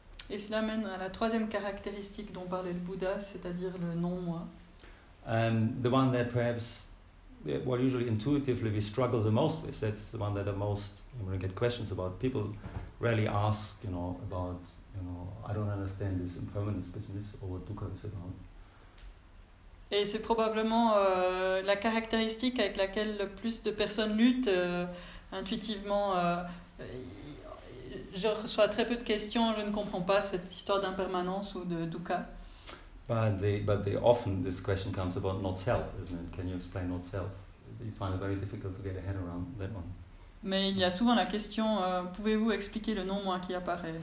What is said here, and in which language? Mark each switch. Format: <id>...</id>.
<fr>Et cela mène à la troisième caractéristique dont parlait le Bouddha, c'est-à-dire le non-moi.</fr> <en>The one that perhaps, well, usually intuitively we struggle the most with, that's the one that the most, when we get questions about, people rarely ask, you know, about, you know, I don't understand this impermanence business or what dukkha is about.</en> <fr>Et c'est probablement la caractéristique avec laquelle le plus de personnes luttent intuitivement. Je reçois très peu de questions, je ne comprends pas cette histoire d'impermanence ou de dukkha.</fr> <en>But often this question comes about not self, isn't it? Can you explain not self? You find it very difficult to get a head around that one.</en> <fr>Mais il y a souvent la question, pouvez-vous expliquer le non-moi qui apparaît?</fr>